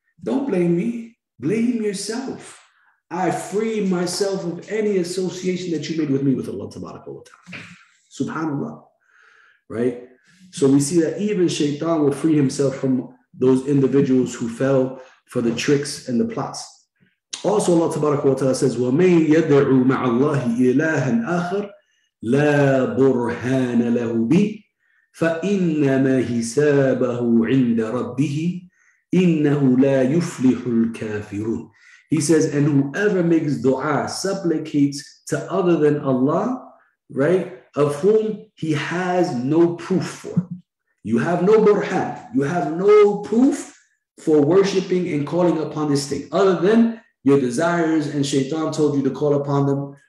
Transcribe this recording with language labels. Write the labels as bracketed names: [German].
[English] Don't blame me, blame yourself. I free myself of any association that you made with me, with Allah tabarak wa ta'ala. SubhanAllah, right? So we see that even shaitan will free himself from those individuals who fell for the tricks and the plots. Also, Allah tabarak wa ta'ala says, [Arabic] وَمَنْ يَدْعُوا مَعَ اللَّهِ إِلَٰهًا آخَرَ لَا بُرْهَانَ لَهُ بِهِ فَإِنَّمَا حِسَابَهُ عِنْدَ رَبِّهِ إِنَّهُ لَا يُفْلِحُ الْكَافِرُونَ. [English] He says, and whoever makes dua, supplicates to other than Allah, right, of whom he has no proof for. You have no burhan. You have no proof for worshiping and calling upon this thing, other than your desires and shaitan told you to call upon them.